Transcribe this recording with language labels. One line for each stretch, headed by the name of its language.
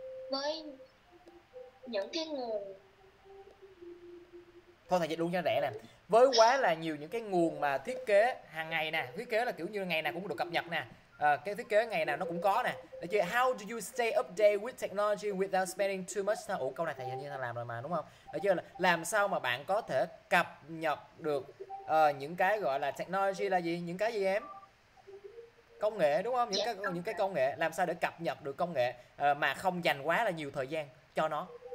Vietnamese: Với những cái nguồn thôi thầy dịch luôn cho rẻ nè, với quá là nhiều những cái nguồn mà thiết kế hàng ngày nè, thiết kế là kiểu như ngày nào cũng được cập nhật nè, cái thiết kế ngày nào nó cũng có nè. Để chơi,
English: how do you stay up to date with technology without spending too much time?
Vietnamese: Ủa câu này thầy hình như thầy làm rồi mà đúng không? Để chơi, là làm sao mà bạn có thể cập nhật được những cái gọi là technology là gì, những cái gì em? Công nghệ đúng không? Những Dạ cái công nghệ, làm sao để cập nhật được công nghệ mà không dành quá là nhiều thời gian cho nó.